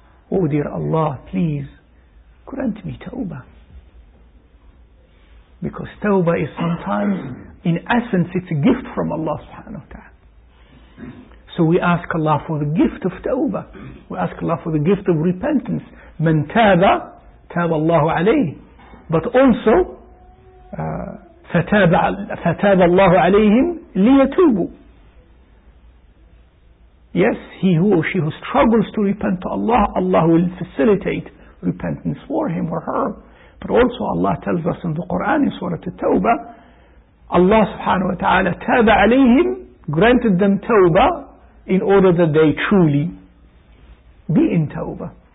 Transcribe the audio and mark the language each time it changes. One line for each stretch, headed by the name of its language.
English: Oh dear Allah, please grant me tawbah. Because tawbah is sometimes, in essence, it's a gift from Allah subhanahu wa ta'ala. So we ask Allah for the gift of tawbah. We ask Allah for the gift of repentance.
Arabic: من تاب تاب الله عليه.
English: But also
Arabic: فتاب الله عليهم ليتوبوا.
English: Yes, he who or she who struggles to repent to Allah, Allah will facilitate repentance for him or her. But also Allah tells us in the Quran in Surah At-Tawbah, Allah subhanahu wa ta'ala
Arabic: تاب عليهم,
English: granted them tawbah in order that they truly be in tawbah.